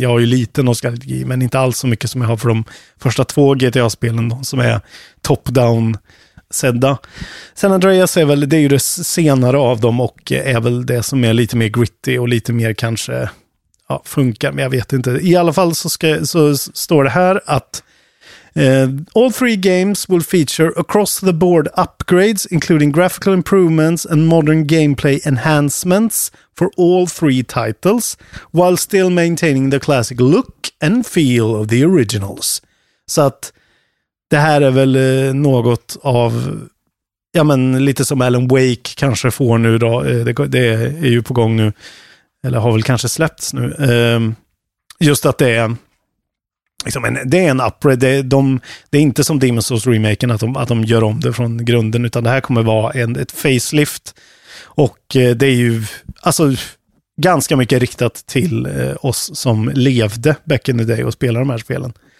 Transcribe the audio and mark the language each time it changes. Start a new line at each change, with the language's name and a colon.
Swedish: Jag har ju lite nostalgi, men inte alls så mycket som jag har för de första två GTA-spelen då, som är top-down-sedda. San Andreas är väl, det är ju det senare av dem och är väl det som är lite mer gritty och lite mer kanske, ja, funkar, men jag vet inte. I alla fall så står det här att
English: All three games will feature across-the-board upgrades, including graphical improvements and modern gameplay enhancements for all three titles, while still maintaining the classic look and feel of the originals.
Swedish: Så att det här är väl något av, ja men lite som Alan Wake kanske får nu då, det är ju på gång nu, eller har väl kanske släppts nu. Just att det är liksom en, det är en upgrade, det är inte som Demon's Souls remaken att de gör om det från grunden, utan det här kommer vara ett facelift, och det är ju alltså ganska mycket riktat till oss som levde
English: back in the day
Swedish: och spelade de här spelen.